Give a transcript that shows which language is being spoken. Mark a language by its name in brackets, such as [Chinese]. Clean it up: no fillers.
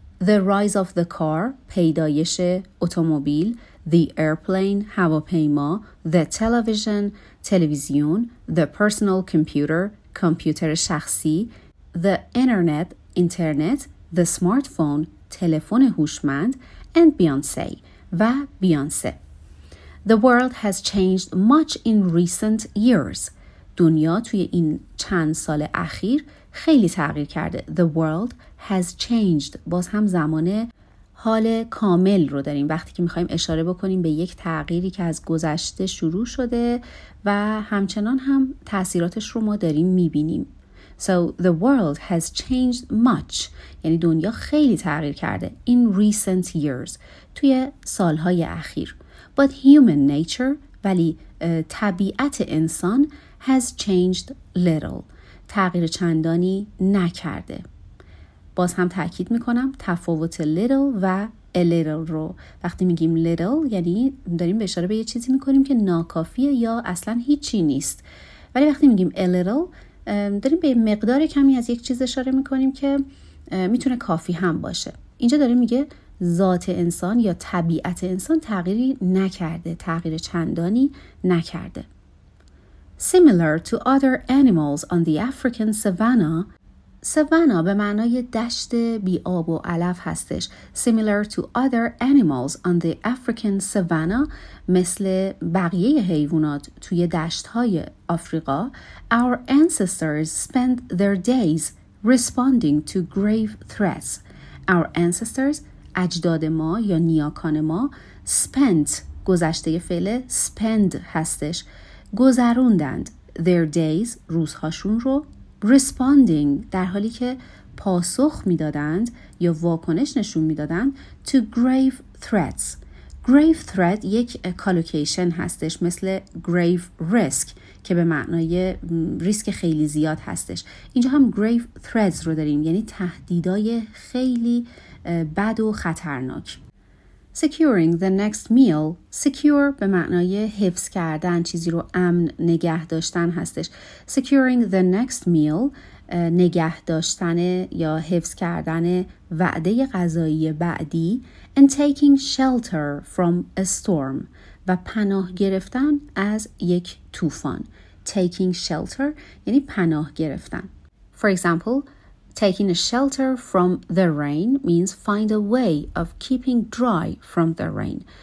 [English] The rise of the car، [Persian] پیدایش اتومبیل. [English] The airplane، [Persian] هواپیما. [English] The television، [Persian] تلویزیون. [English] The personal computer، [Persian] کامپیوتر شخصی. [English] The internet، internet. The smartphone، [Persian] تلفن هوشمند. [English] And Beyonce، و Beyonce. The world has changed much in recent years. [Persian] دنیا توی این چند سال اخیر خیلی تغییر کرده. [English] The world has changed. [Persian] باز هم زمان حال کامل رو داریم. وقتی که میخواییم اشاره بکنیم به یک تغییری که از گذشته شروع شده و همچنان هم تأثیراتش رو ما داریم میبینیم. [English] So the world has changed much. [Persian] یعنی دنیا خیلی تغییر کرده. [English] In recent years. [Persian] توی سالهای اخیر. [English] But human nature، [Persian] ولی طبیعت انسان، [English] has changed little، [Persian] تغییر چندانی نکرده. باز هم تأکید میکنم تفاوت little و a little رو. وقتی میگیم little یعنی داریم به اشاره به یه چیزی میکنیم که ناکافیه یا اصلا هیچی نیست. ولی وقتی میگیم a little داریم به مقدار کمی از یک چیز اشاره میکنیم که میتونه کافی هم باشه. اینجا داریم میگه ذات انسان یا طبیعت انسان تغییری نکرده، تغییر چندانی نکرده. [English] Similar to other animals on the African savanna. [Persian] Savanna به معنای دشت بی آب و علف هستش. [English] Similar to other animals on the African savanna، [Persian] مثل بقیه حیوانات توی دشت‌های آفریقا. [English] Our ancestors spend their days responding to grave threats. Our ancestors، [Persian] اجداد ما یا نیاکان ما، [English] spent، [Persian] گذشته فعل spend هستش، گذروندند [English] their days، [Persian] روزهاشون رو، [English] responding، [Persian] در حالی که پاسخ میدادند یا واکنش نشون میدادند [English] to grave threats. [Persian] Grave threat یک collocation هستش، مثل grave risk که به معنای ریسک خیلی زیاد هستش. اینجا هم grave threats رو داریم، یعنی تهدیدای خیلی بد و خطرناک. [English] Securing the next meal. [Persian] Secure به معنای حفظ کردن، چیزی رو امن نگه داشتن هستش. [English] Securing the next meal، [Persian] نگه داشتن یا حفظ کردن وعده غذایی بعدی. [English] And taking shelter from a storm، [Persian] و پناه گرفتن از یک طوفان. Taking shelter یعنی پناه گرفتن. [English] For example، taking a shelter from the rain means find a way of keeping dry from the rain.